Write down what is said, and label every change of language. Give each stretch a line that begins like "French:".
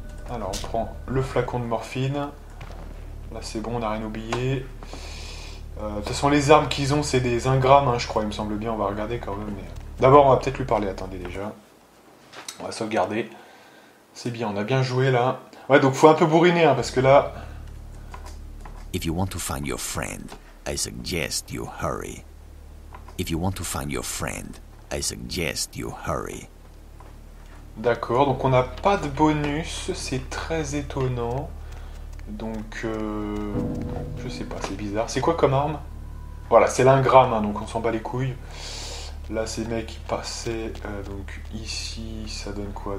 French: Alors on prend le flacon de morphine. Là c'est bon, on n'a rien oublié. De toute façon les armes qu'ils ont c'est des 1 gramme, hein, je crois, il me semble bien, on va regarder quand même. Mais... D'abord on va peut-être lui parler, attendez déjà. On va sauvegarder. C'est bien, on a bien joué là. Ouais donc faut un peu bourriner hein, parce que là...
English: If you want to find your friend, I suggest you hurry. If you want to find your friend, I suggest you hurry.
French: D'accord, donc on n'a pas de bonus, c'est très étonnant. Donc, je sais pas, c'est bizarre. C'est quoi comme arme? Voilà, c'est l'ingramme, hein, donc on s'en bat les couilles. Là, ces mecs qui passaient, donc ici, ça donne quoi?